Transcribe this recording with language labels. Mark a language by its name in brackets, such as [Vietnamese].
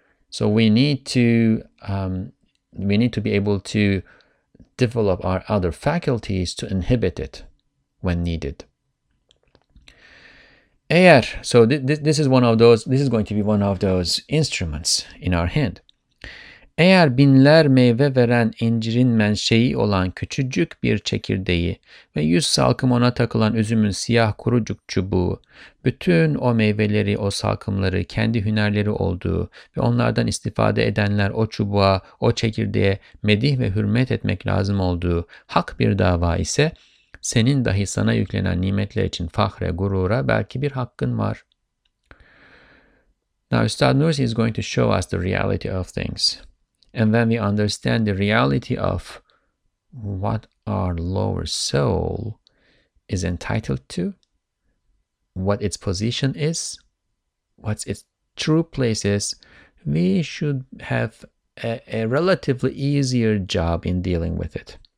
[English] So we need to be able to develop our other faculties to inhibit it when needed. Eğer, so this is going to be one of those instruments in our hand. [Turkish] Eğer binler meyve veren incirin menşei olan küçücük bir çekirdeği ve 100 salkım ona takılan üzümün siyah kurucuk çubuğu, bütün o meyveleri, o salkımları, kendi hünerleri olduğu ve onlardan istifade edenler o çubuğa, o çekirdeğe medih ve hürmet etmek lazım olduğu hak bir dava ise, senin dahi sana yüklenen nimetler için fahre, gurura belki bir hakkın var. [English] Now, Üstad Nursi is going to show us the reality of things. And when we understand the reality of what our lower soul is entitled to, what its position is, what its true place is, we should have a relatively easier job in dealing with it.